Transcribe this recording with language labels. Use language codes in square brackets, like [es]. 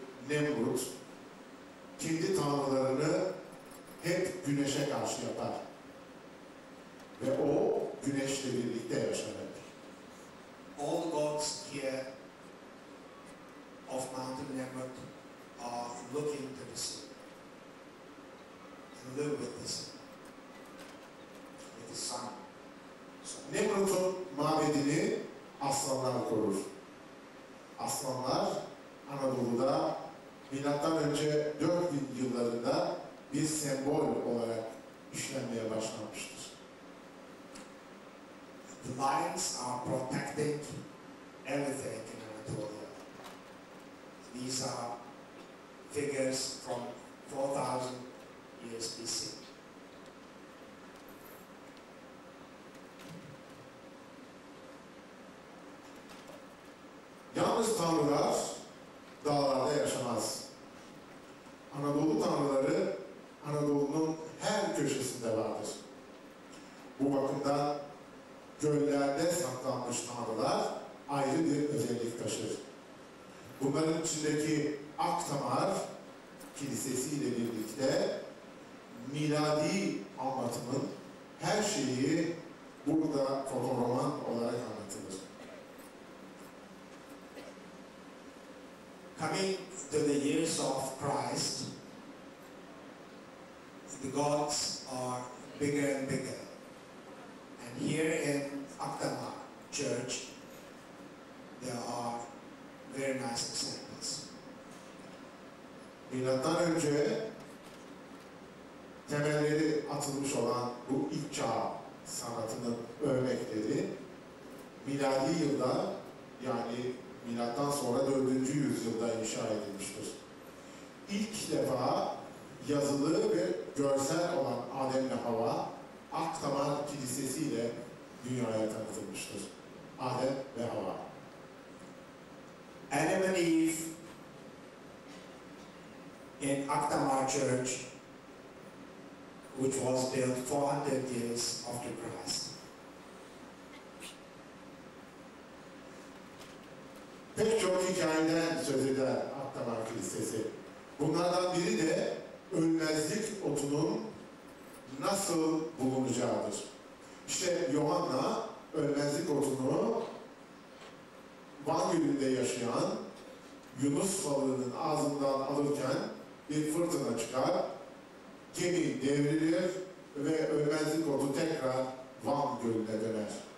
[tr] Nemrut kendi tanrılarını hep güneşe karşı yapar. Ve o güneşle birlikte yaşanır. [en] All gods here of Mount Nemrut are looking to the sun. And live with the sun. With the sun. [tr] So Nemrut'un mabedini aslanlar korur. Aslanlar Anadolu'da Milattan önce 4000 yıllarında bir sembol olarak işlenmeye başlamıştır. [en] The lions are protecting everything in Anatolia. These are figures from 4000 years BC. [tr] Yalnız tanrılar dağlarda yaşamaz. Anadolu tanrıları Anadolu'nun her köşesinde vardır. Bu bakımdan göllerde saklanmış tanrılar ayrı bir özellik taşır. Bunların içindeki Aktamar Kilisesi ile birlikte miladi anlatımın her şeyi burada fotoroman olarak anlatılır. [en] Coming to the years of Christ, the gods are bigger and bigger. And here in Aktamar Church, there are very nice examples. [tr] Milattan önce temelleri atılmış olan bu ilk çağ sanatının örnekleri, miladi yılda yani Milattan sonra 4. yüzyılda inşa edilmiştir. İlk defa yazılı ve görsel olan Adem ve Hava, Aktamar Kilisesi ile dünyaya tanıtılmıştır. Adem ve Hava. [en] Adam and Eve in Aktamar Church, which was built 400 years after Christ. [tr] Pek çok hikayeden söz eder Aktamar Kilisesi. Bunlardan biri de ölmezlik otunun nasıl bulunacağıdır. İşte Yohanna ölmezlik otunu Van Gölü'nde yaşayan Yunus balığının ağzından alırken bir fırtına çıkar, gemi devrilir ve ölmezlik otu tekrar Van Gölü'ne döner.